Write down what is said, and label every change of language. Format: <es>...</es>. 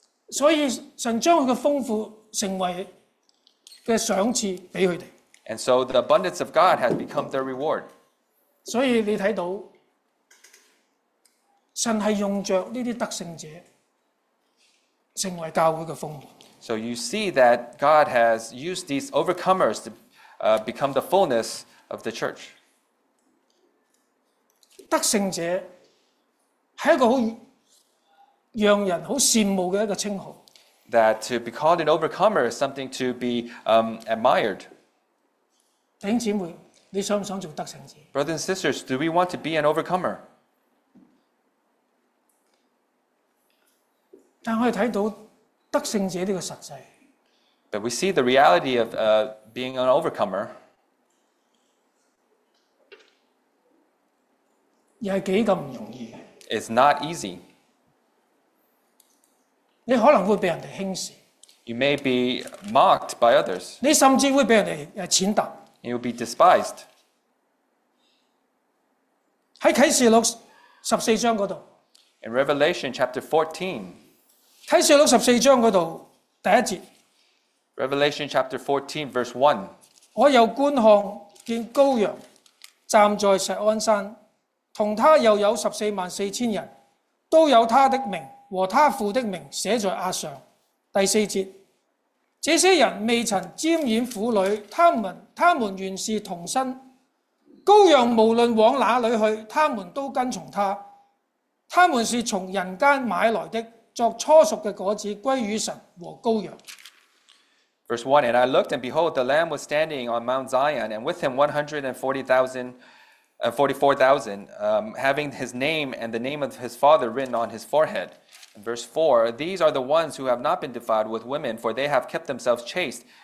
<zh>所以神将他的丰富成为的赏赐给他们。</zh> <en>And so the abundance of God has become their reward.</en> <zh>所以你看到, 神是用着这些德胜者, 成为教会的丰满。</zh> <en>So you see that God has used these overcomers to become the fullness of the church.</en> <zh>德胜者, 是一个很让人很羡慕的一个称号。</zh> <en>That to be called an overcomer is something to be admired.</en> <zh>弟兄姊妹, 你想不想做德胜者?</zh> <en>Brothers and sisters, do we want to be an overcomer?</en> <zh>但我们看到德胜者这个实际,</zh> <en>But we see the reality of being an overcomer.</en> <zh>又是多么不容易?</zh> <en>It's not easy.</en> <zh>你可能会被人轻视,</zh> <en>you may be mocked by others.</en> <zh>你甚至会被人浅踏,</zh> <en>you will be despised.</en> <zh>在启示录14章那里,</zh> <en>In Revelation chapter 14,</en> <zh>启示录14章那里, 第一节,</zh> <en>Revelation chapter 14, verse 1,</en> <zh>我又观看见羔羊, 站在锡安山, 同他又有144,000人, 都有他的名, 和他父的名写在额上。第四节，这些人未曾沾染妇女，他们原是童身。羔羊无论往哪里去，他们都跟从他。他们是从人间买来的，作初熟的果子归于神和羔羊。</zh> <en>Verse 1, And I looked, and behold, the Lamb was standing on Mount Zion, and with him 144,000, having his name and the name of his father written on his forehead. Verse 4, These are the ones who have not been defiled with women, for they have kept themselves chaste.</en>